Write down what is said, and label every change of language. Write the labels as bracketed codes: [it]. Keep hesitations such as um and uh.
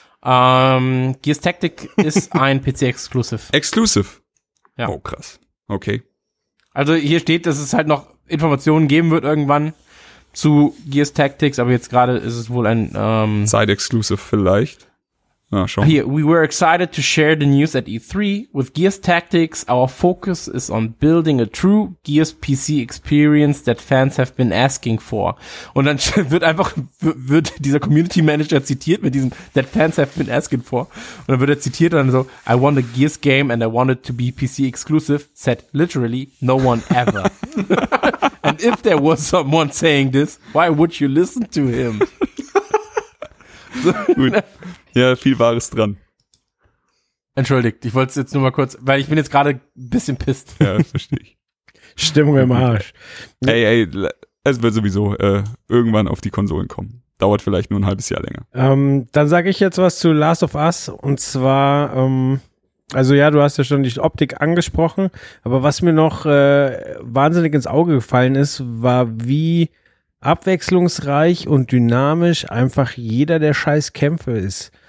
[de] Ähm, Gears Tactic ist ein PC-Exclusive. Exclusive. Ja. Oh krass. Okay. Also hier steht, dass es halt noch Informationen geben wird irgendwann zu Gears Tactics, aber jetzt gerade ist es wohl ein ähm, Side Exclusive vielleicht. Na schon. [en] Here, we were excited to share the news at E3. With Gears Tactics, our focus is on building a true Gears PC experience that fans have been asking for. [de] Und dann wird einfach, wird dieser Community Manager zitiert mit diesem, [en] that fans have been asking for. [de] Und dann wird er zitiert und dann so, [en] I want a Gears game and I want it to be PC exclusive, said literally no one ever. and if there was someone saying this, why would you listen to him? [de] Gut. Ja, viel Wahres dran. Entschuldigt, ich wollte es jetzt nur mal kurz, weil ich bin jetzt gerade ein bisschen pisst. Ja, verstehe ich. Stimmung im Arsch. Ey, ey, le- es wird sowieso äh, irgendwann auf die Konsolen kommen. Dauert vielleicht nur ein halbes Jahr länger. Ähm, dann sage ich jetzt was zu Last of Us und zwar, ähm, also ja, du hast ja schon die Optik angesprochen, aber was mir noch äh, wahnsinnig ins Auge gefallen ist, war wie abwechslungsreich und dynamisch einfach jeder der scheiß Kämpfe ist.